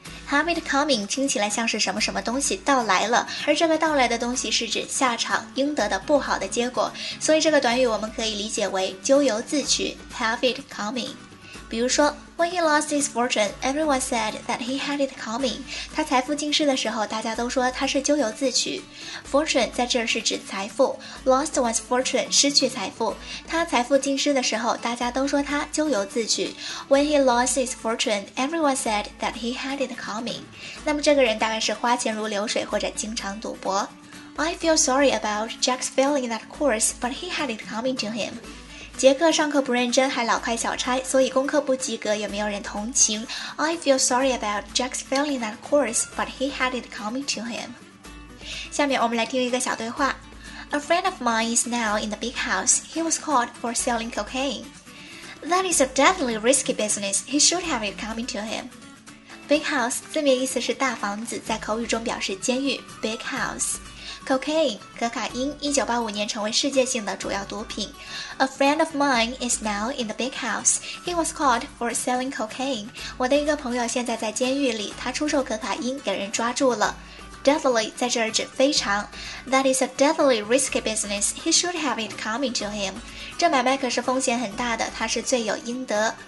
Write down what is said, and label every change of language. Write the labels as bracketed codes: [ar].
[en] Have it coming [zh] 听起来像是什么什么东西到来了，而这个到来的东西是指下场应得的不好的结果，所以这个短语我们可以理解为咎由自取 [en] Have it coming. [zh] 比如说 [en] When he lost his fortune, everyone said that he had it coming. [zh] 他财富尽失的时候，大家都说他是咎由自取。 Fortune 在这儿是指财富。 [en] Lost one's fortune, [zh] 失去财富。他财富尽失的时候，大家都说他咎由自取。 [en] When he lost his fortune, everyone said that he had it coming. [zh] 那么这个人大概是花钱如流水或者经常赌博。 [en] I feel sorry about Jack's failing that course, but he had it coming to him. [zh] 杰克上课不认真还老开小差，所以功课不及格也没有人同情。 [en] I feel sorry about Jack's failing that course, but he had it coming to him. [zh] 下面我们来听一个小对话。 [en] A friend of mine is now in the big house. He was caught for selling cocaine. That is a deadly risky business. He should have it coming to him. Big house, [zh] 字面意思是大房子，在口语中表示监狱， [en] big house. [zh] Cocaine, 可卡因1985年成为世界性的主要毒品。 [en] A friend of mine is now in the big house. He was caught for selling cocaine. [zh] 我的一个朋友现在在监狱里，他出售可卡因给人抓住了。 [en] Deadly [zh] 在这儿指非常。 [en] That is a deadly risky business. He should have it coming to him. [zh] 这买卖可是风险很大的，他是罪有应得。